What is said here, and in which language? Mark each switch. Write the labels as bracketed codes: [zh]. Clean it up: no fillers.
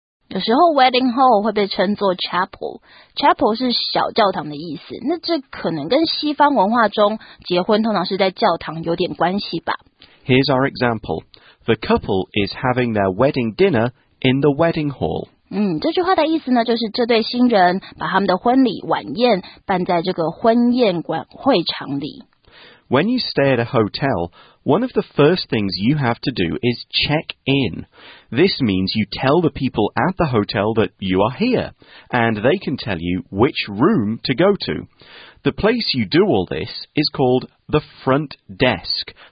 [zh] 有时候 wedding hall 会被称作 chapel, chapel 是小教堂的意思，那这可能跟西方文化中结婚通常是在教堂有点关系吧。 [en] Here's our example. The couple is having their wedding dinner in the wedding hall. [zh] 嗯，这句话的意思呢，就是这对新人把他们的婚礼晚宴办在这个婚宴馆会场里。 [en] When you stay at a hotel, one of the first things you have to do is check in. This means you tell the people at the hotel that you are here, and they can tell you which room to go to. The place you do all this is called the front desk.